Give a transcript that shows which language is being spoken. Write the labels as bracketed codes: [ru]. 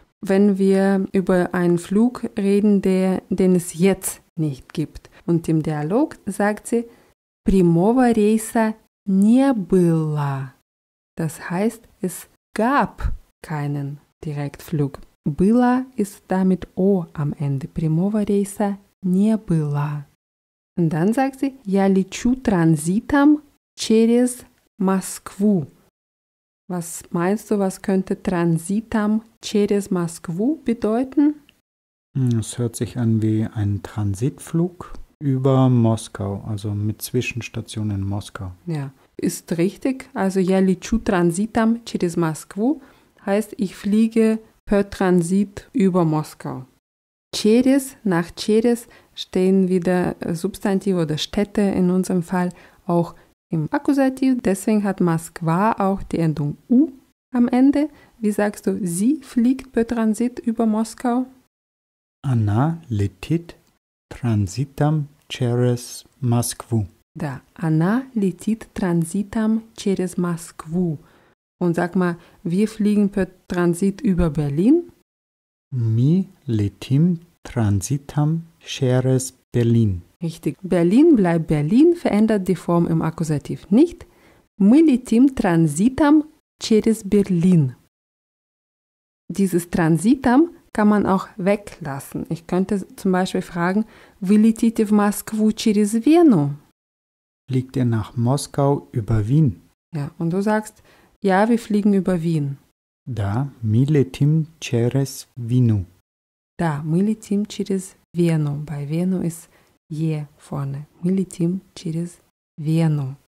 [de] Wenn wir über einen Flug reden, den es jetzt nicht gibt. Und im Dialog sagt sie, [ru] прямого рейса не было. [de] Das heißt, es gab keinen Direktflug. Было ist damit O am Ende. [ru] Прямого рейса не было. [de] Und dann sagt sie, [ru] я лечу транзитом через Москву. [de] Was meinst du, was könnte [ru] transitam через Москву [de] bedeuten? Es hört sich an wie ein Transitflug über Moskau, also mit Zwischenstationen in Moskau. Ja, ist richtig. Also, [ru] я лечу транзитом через Москву [de] heißt, ich fliege per Transit über Moskau. Через, nach через stehen wieder Substantive oder Städte in unserem Fall auch im Akkusativ. Deswegen hat Москва auch die Endung U am Ende. Wie sagst du, sie fliegt per Transit über Moskau? [ru] Она летит транзитом через Москву. Да, она летит транзитом через Москву. [de] Und sag mal, wir fliegen per Transit über Berlin. [ru] Мы летим транзитом через Berlin. [de] Richtig. Berlin bleibt Berlin, verändert die Form im Akkusativ nicht. [ru] Мы летим транзитом через Berlin. [de] Dieses транзитом kann man auch weglassen. Ich könnte zum Beispiel fragen, [ru] вы летите в Москву через Вену? [de] Fliegt ihr nach Moskau über Wien? Ja, und du sagst, ja, wir fliegen über Wien. [ru] Да, мы летим через Вену. Да, мы летим через Вену. [de] Bei Вену ist Е vorne. [ru] Мы летим через Вену.